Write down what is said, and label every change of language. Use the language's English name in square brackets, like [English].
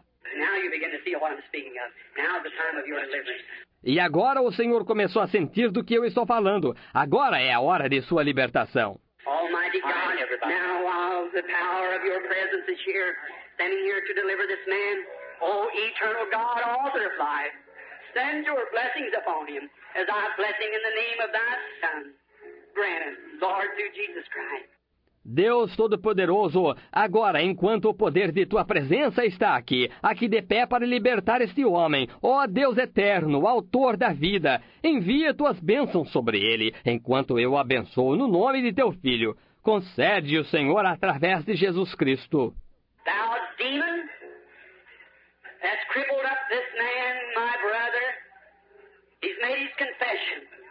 [Portuguese] Agora você começa a ver o que estou falando. Agora é o tempo de sua liberdade. E agora o Senhor começou a sentir do que eu estou falando. Agora é a hora de sua libertação. [English] Almighty God, now while the power of your presence is here, standing here to deliver this man, O eternal God, author of life, send your blessings upon him, as I bless him in the name of thy Son, granted, Lord, through Jesus Christ. [Portuguese] Deus Todo-Poderoso, agora, enquanto o poder de Tua presença está aqui, aqui de pé para libertar este homem, ó Deus Eterno, Autor da vida, envia Tuas bênçãos sobre ele, enquanto eu o abençoo no nome de Teu Filho. Concede-o, Senhor, através de Jesus Cristo. [English] Thou demon, that's crippled up this man, my brother, he's made his confession.